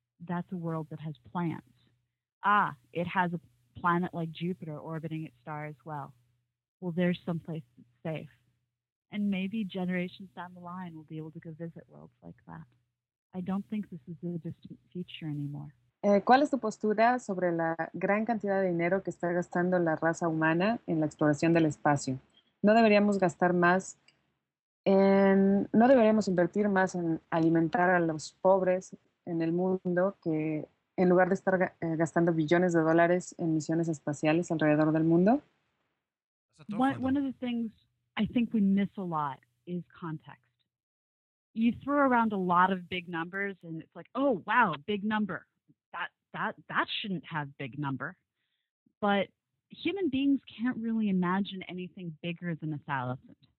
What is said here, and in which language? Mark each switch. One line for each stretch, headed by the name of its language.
English: That's a world that has plants. It has a planet like Jupiter orbiting its star as well. Well, there's someplace that's safe. And maybe generations down the line we'll be able to go visit worlds like that. I don't think this is a distant future anymore.
Spanish: ¿Cuál es tu postura sobre la gran cantidad de dinero que está gastando la raza humana en la exploración del espacio? ¿No deberíamos gastar más en, no deberíamos invertir más en alimentar a los pobres en el mundo que en lugar de estar gastando billones de dólares en misiones espaciales alrededor del mundo?
English: One of the things I think we miss a lot is context. You throw around a lot of big numbers and it's like, oh wow, big number. That shouldn't have big number. But human beings can't really imagine anything bigger than a thousand.